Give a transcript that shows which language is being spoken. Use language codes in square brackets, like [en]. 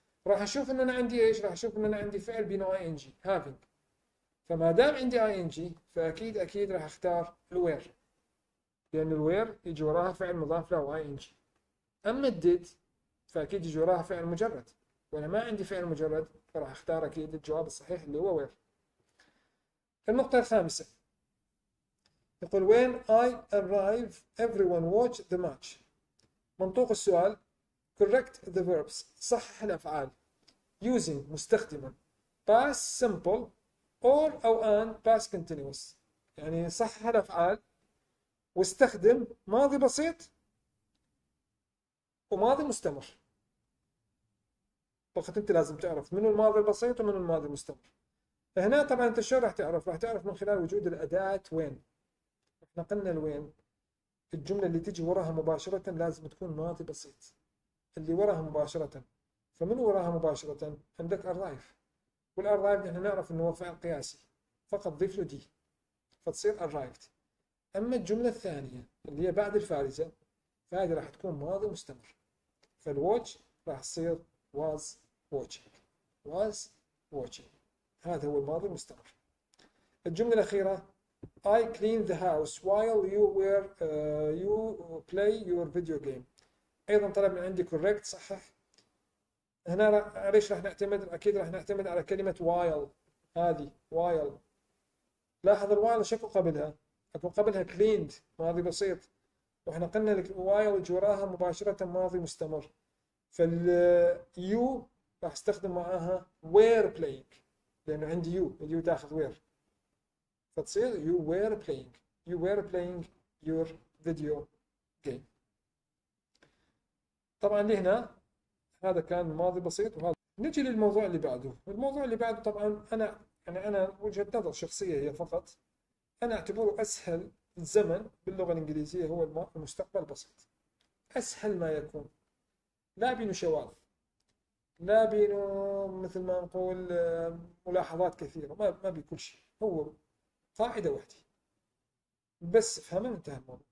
[ar] راح أشوف أن أنا عندي إيش، راح أشوف أن أنا عندي فعل بنوع ING having، فما دام عندي ING فأكيد أكيد راح أختار الوير، لأن الوير يجي وراها فعل مضاف له ING. أما did فأكيد يجي وراها فعل مجرد، وانا ما عندي فعل مجرد فراح اختار اكيد الجواب الصحيح اللي هو وير. النقطة الخامسة يقول [en] when I arrive everyone watch the match. [ar] منطوق السؤال [en] correct the verbs، [ar] صحح الافعال using مستخدما past simple or او an past continuous، يعني صحح الافعال واستخدم ماضي بسيط وماضي مستمر. فقط انت لازم تعرف من الماضي البسيط ومن الماضي المستمر. هنا طبعا انت شو راح تعرف؟ راح تعرف من خلال وجود الاداه وين. احنا قلنا الوين الجمله اللي تجي وراها مباشره لازم تكون ماضي بسيط اللي وراها مباشره. فمن وراها مباشره عندك ارايف، والارايف احنا نعرف انه هو فعل قياسي فقط ضيف له دي فتصير ارايفد. اما الجمله الثانيه اللي هي بعد الفارزه فهذه راح تكون ماضي مستمر، فالواتش راح تصير [en] was watching. was watching [ar] هذا هو الماضي المستمر. الجملة الأخيرة [en] I cleaned the house while you were you play your video game. [ar] أيضا طلب من عندي correct صحح. هنا ليش راح نعتمد؟ أكيد راح نعتمد على كلمة while. هذه while، لاحظ الwhile شكو قبلها؟ أكو قبلها cleaned ماضي بسيط، وإحنا قلنا لك while جراها مباشرة ماضي مستمر. فال you راح استخدم معاها were playing لانه عندي you، اليو تاخذ were فتصير [en] you were playing. you were playing your video game. [ar] طبعا لهنا هذا كان ماضي بسيط. وهذا نجي للموضوع اللي بعده. الموضوع اللي بعده طبعا انا وجهة نظر شخصية هي فقط، انا اعتبره اسهل الزمن باللغة الانجليزية هو المستقبل البسيط، اسهل ما يكون، لا بينه شواذ، لا بينه مثل ما نقول ملاحظات كثيرة، ما بكل شيء، هو قاعدة واحدة بس فهمنا انتهى الموضوع.